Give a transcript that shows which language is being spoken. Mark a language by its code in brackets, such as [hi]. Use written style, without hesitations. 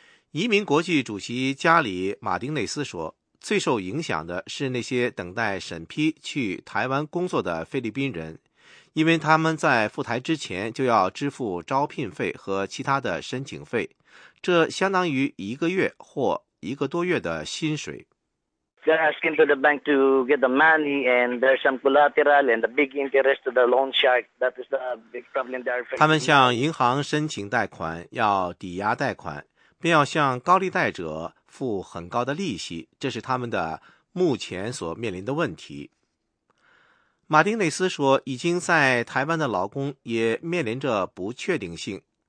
[zh] 移民国际主席加里·马丁内斯说，最受影响的是那些等待审批去台湾工作的菲律宾人，因为他们在赴台之前就要支付招聘费和其他的申请费，这相当于一个月或一个多月的薪水。 [en] They're asking to the bank to get the money, and there's some collateral and the big interest to the loan shark. That is the big problem they're facing. [zh] 他们向银行申请贷款，要抵押贷款，并要向高利贷者付很高的利息，这是他们的目前所面临的问题。马丁内斯说，已经在台湾的劳工也面临着不确定性。